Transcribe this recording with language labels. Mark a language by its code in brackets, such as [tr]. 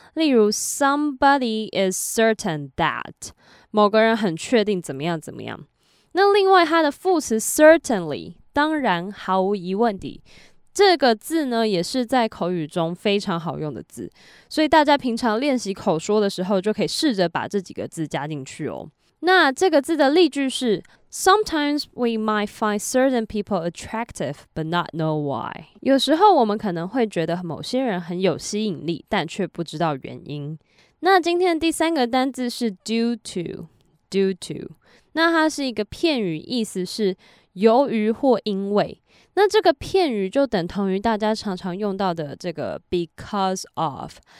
[zh] 例如 [en] Somebody is certain that， [zh] 某个人很确定怎么样怎么样。那另外它的副词 certainly， 当然、毫无疑问的，这个字呢也是在口语中非常好用的字，所以大家平常练习口说的时候就可以试着把这几个字加进去哦。那这个字的例句是 [en] Sometimes we might find certain people attractive but not know why. [zh] 有时候我们可能会觉得某些人很有吸引力，但却不知道原因。那今天的第三个单字是 due to， 那它是一个片语，意思是由于或因为。那这个片语就等同于大家常常用到的这个 because of。